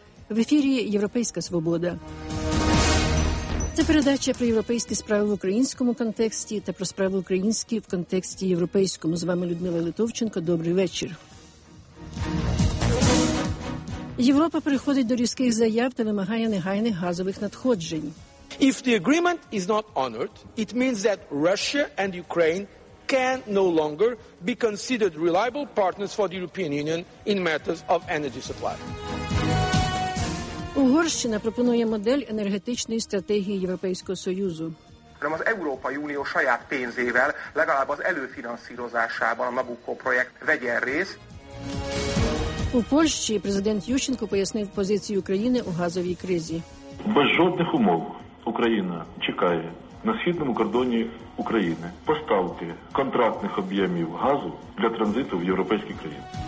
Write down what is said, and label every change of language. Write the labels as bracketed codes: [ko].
[uk] В ефірі «Європейська свобода». Це передача про європейські справи в українському контексті та про справи українські в контексті європейському. З вами Людмила Литовченко. Добрий вечір. Європа переходить до різких заяв та вимагає негайних газових надходжень. [en] If the agreement is not honored, it means that Russia and Ukraine can no longer be considered reliable partners for the European Union in matters of energy supply. [uk] Угорщина пропонує модель енергетичної стратегії Європейського Союзу. [hu] Hanem az Európai Unió saját pénzével, legalább az előfinanszírozásában a Nabucco projekt vegyen részt. [uk] У Польщі президент Ющенко пояснив позицію України у газовій кризі. Без жодних умов Україна чекає на східному кордоні України поставки контрактних об'ємів газу для транзиту в європейські країни.